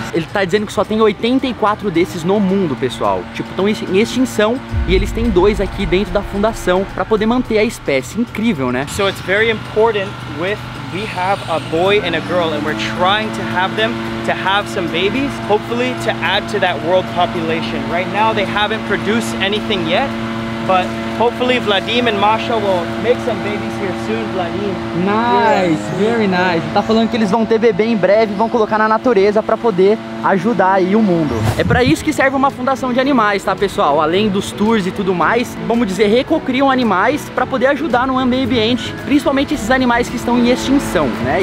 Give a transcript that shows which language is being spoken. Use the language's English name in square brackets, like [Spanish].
[Portuguese] Ele tá dizendo que só tem 84 desses no mundo, pessoal. Tipo, estão em extinção e eles têm dois aqui dentro da fundação pra poder manter a espécie. Incrível, né? [English] So it's very important with we have a boy and a girl and we're trying to have them to have some babies, hopefully to add to that world population. Right now they haven't produced anything yet, but hopefully Vladim and Masha will make some babies here soon, Vladim. Nice, very nice. [Portuguese] Tá falando que eles vão ter bebê em breve, vão colocar na natureza para poder ajudar aí o mundo. É para isso que serve uma fundação de animais, tá, pessoal? Além dos tours e tudo mais, vamos dizer, recocriam animais para poder ajudar no meio ambiente, principalmente esses animais que estão em extinção, né?